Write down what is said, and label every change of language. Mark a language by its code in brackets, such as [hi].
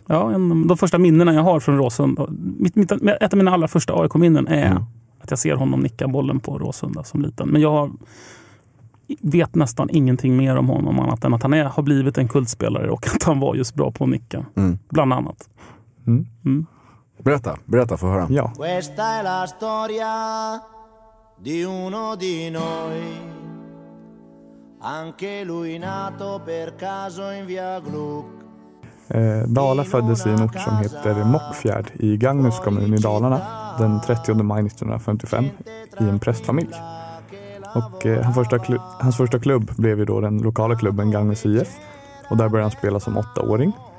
[sv] Ja, de första minnena jag har från Råsunda. Ett av mina allra första AIK-minnen är att jag ser honom nicka bollen på Råsunda som liten. Men jag vet nästan ingenting mer om honom annat än att han har blivit en kultspelare och att han var just bra på att nicka. Mm. Bland annat. Mm. Mm. Berätta, få höra. Ja. [it] Questa è la storia di uno di noi. Anche lui nato per caso in via Gluck. [sv] Dala föddes i en ort som heter Mockfjärd i Gagnus kommun i Dalarna den 30 maj 1955 i en prästfamilj. Och hans första klubb blev ju då den lokala klubben Gagnus IF, och där började han spela som 8-åring.